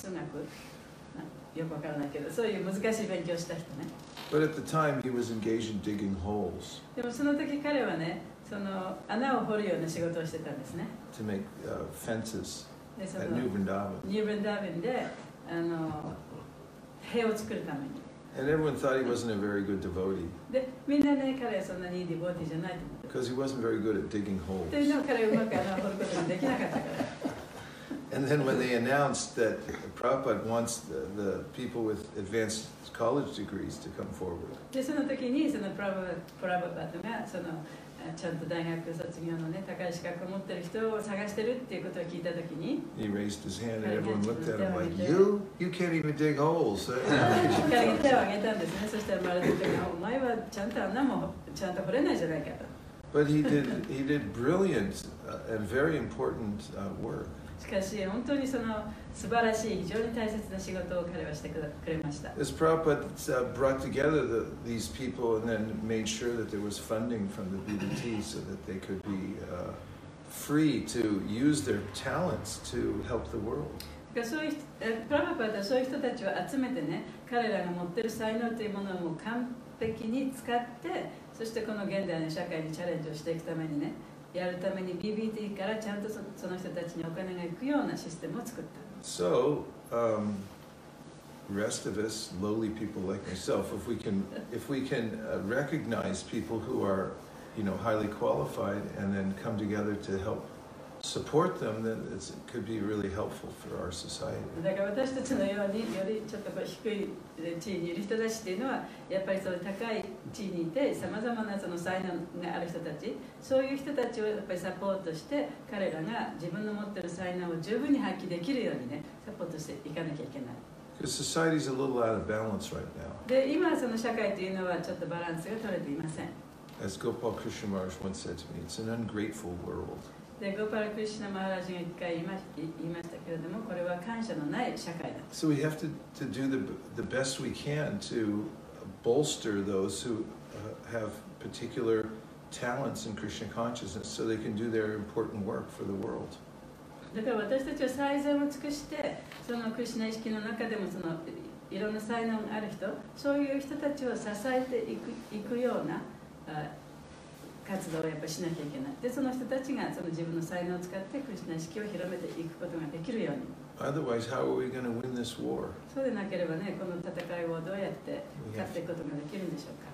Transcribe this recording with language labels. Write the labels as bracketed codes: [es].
[ja] 生理数学、よくわからないけど、そういう難しい勉強した人ね。 [en] But at the time he was engaged in digging holes. [ja] でもその時彼はね、その穴を掘るような仕事をしてたんですね。 [en] To make fences at New Vrindavan. [ja] New Vrindavan で、塀を作るために。 [en] And everyone thought he wasn't a very good devotee. [ja] で、みんなね、彼はそんなにいいディボーティーじゃないと思って。 [en] Because he wasn't very good at digging holes. [ja] というのを彼はうまく穴を掘ることができなかったから。 [en] And then when they announced that Prabhupada wants the people with advanced college degrees to come forward. [ja] で、その時にそのプラヴァパダがそのちゃんと大学卒業のね、高い資格を持ってる人を探してるっていうことを聞いた時に、 [en] He raised his hand and everyone looked at him like, You can't even dig holes. [ja] 彼が手を挙げたんですね。そしたらまるで、お前はちゃんと穴もちゃんと掘れないじゃないかと。 [en] But he did brilliant and very important work. [ja] しかし本当にその素晴らしい非常に大切な仕事を彼はしてくれました。 [en] As Prabhupada brought together these people and then made sure that there was funding from the BDT so that they could be free to use their talents to help the world. [ja] Prabhupada はそういう人たちを集めてね、彼らが持ってる才能というものをもう完璧に使って。そしてこの現代の社会にチャレンジをしていくためにね、やるために BBT からちゃんと その人たちにお金が行くようなシステムを作った。 [en] So, rest of us, lowly people like myself, if we can recognize people who are, you know, highly qualified and then come together to help support them, then it could be really helpful for our society. [ja] だから私たちのようによりちょっとこう低い地位にいる人たちっていうのは、やっぱりその高い地位にいて、さまざまなその才能がある人たち、そういう人たちをやっぱりサポートして、彼らが自分の持っている才能を十分に発揮できるようにね、サポートしていかなきゃいけない。 [en] The society is a little out of balance right now. [ja] で、今その社会というのはちょっとバランスが取れていません。 [en] As Gopal Krishna Maharaj once said to me, it's an ungrateful world. [ja] で、ゴパラ・クリシュナ・マハラジが一回言いましたけれども、これは感謝のない社会だ。 [en] So we have to do the best we can to bolster those who have particular talents in Krishna consciousness so they can do their important work for the world. [ja] だから私たちは最善を尽くして、そのクリシュナ意識の中でもそのいろんな才能がある人、そういう人たちを支えていくような、活動をやっぱりしなきゃいけない。で、その人たちがその自分の才能を使ってクリシュナ意識を広めていくことができるように。 [en] Otherwise, how are we going to win this war? [ja] そうでなければね、この戦いをどうやって勝っていくことができるんでしょうか。